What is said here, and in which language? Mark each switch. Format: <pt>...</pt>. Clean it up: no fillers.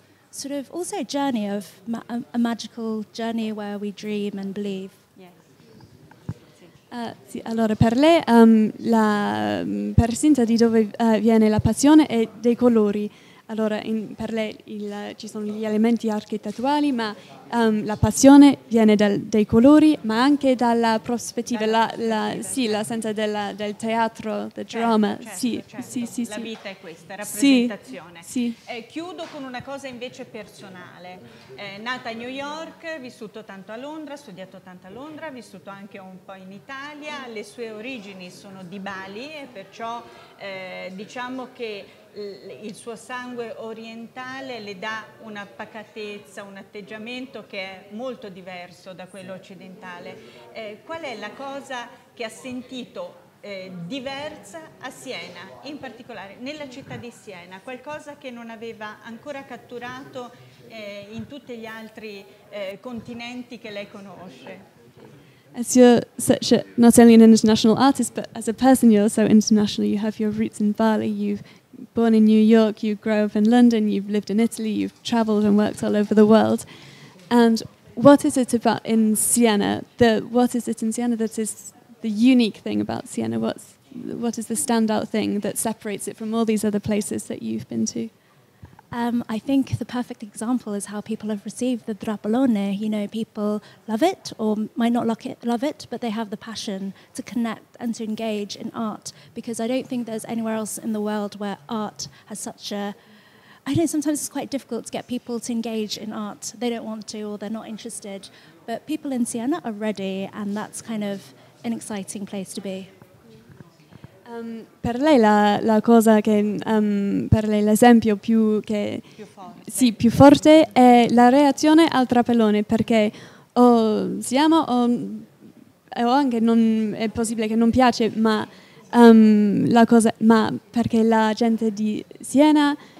<en>sort of also a journey of a magical journey where we dream and believe. Yes.</en> <it>Sì. Allora per lei la percinta di dove viene la passione è dei colori. Allora per lei ci sono gli elementi architettuali, ma la passione viene dai colori, ma anche dalla prospettiva, la sensa del teatro, del drama. Certo, sì, certo. Sì, sì, sì. La vita è questa, rappresentazione. Sì, sì. Chiudo con una cosa invece personale. Nata a New York, vissuto tanto a Londra, studiato tanto a Londra, vissuto anche un po' in Italia. Le sue origini sono di Bali, e perciò diciamo che il suo sangue orientale le dà una pacatezza, un atteggiamento che è molto diverso da quello occidentale. Qual è la cosa che ha sentito diversa a Siena, in particolare nella città di Siena, qualcosa che non aveva ancora catturato in tutti gli altri continenti che lei conosce.</it> <en>As you're such a, not only an international artist, but as a person, you're so international. You have your roots in Bali, you've born in New York, you grow up in London, you've lived in Italy, you've traveled and worked all over the world. And what is it about in Siena, that is the unique thing about Siena? What is the standout thing that separates it from all these other places that you've been to? I think the perfect example is how people have received the Drappolone. You know, people love it or might not love it, but they have the passion to connect and to engage in art, because I don't think there's anywhere else in the world where art has such a... I know sometimes it's quite difficult to get people to engage in art. They don't want to or they're not interested. But people in Siena are ready, and that's kind of an exciting place to be.</en> <it>Per lei la cosa che per lei l'esempio più forte. Sì, più forte è la reazione al Drappolone, perché è possibile che non piace, ma perché la gente di Siena</it>